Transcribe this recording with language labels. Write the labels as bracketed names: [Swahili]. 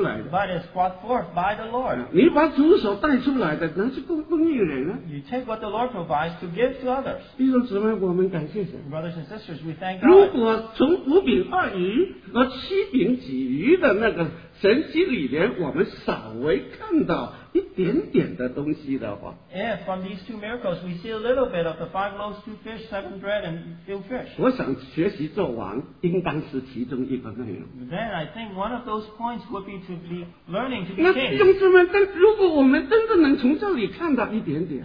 [English] But it's brought forth by the Lord. [Chinese] 你把主所带出来的能去供应人呢? [English] You take what the Lord provides to give to others. [Chinese] 弟兄姊妹, [English] brothers and sisters, we thank God. [Chinese] 如果从五饼二鱼和七饼几鱼的那个 神迹里面我们稍微看到一点点的东西的话, [English] if from these two miracles we see a little bit of the five loaves, two fish, seven bread, and few fish, [Chinese] 我想学习做王应当是其中一个内容, [English] then I think one of those points would be to be learning to be [Chinese] 那, [English] king. [Chinese] 弟兄姊妹, 如果我们真的能从这里看到一点点,